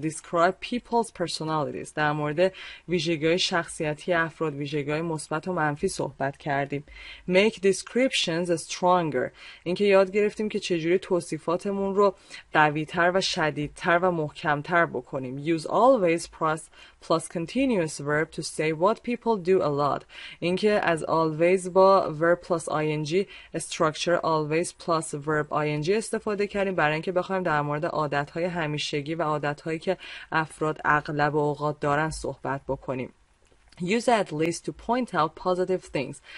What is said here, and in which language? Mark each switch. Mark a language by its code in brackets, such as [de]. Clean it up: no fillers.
[en] Describe people's personalities. [fa] در مورد ویژگی‌های شخصیتی افراد، ویژگی‌های مثبت و منفی صحبت کردیم. [en] Make descriptions stronger. [fa] این که یاد گرفتیم که چجوری توصیفاتمون رو قوی‌تر و شدیدتر و محکم‌تر بکنیم. [en] Use always plus continuous verb to say what people do a lot. [fa] این که از always با [en] verb plus ing structure always plus verb ing [fa] استفاده کردیم برای اینکه بخوایم در مورد عادت‌های همیشگی و عادت‌هایی که افراد اغلب اوقات دارن صحبت بکنیم. [en] Use at least to point out positive things.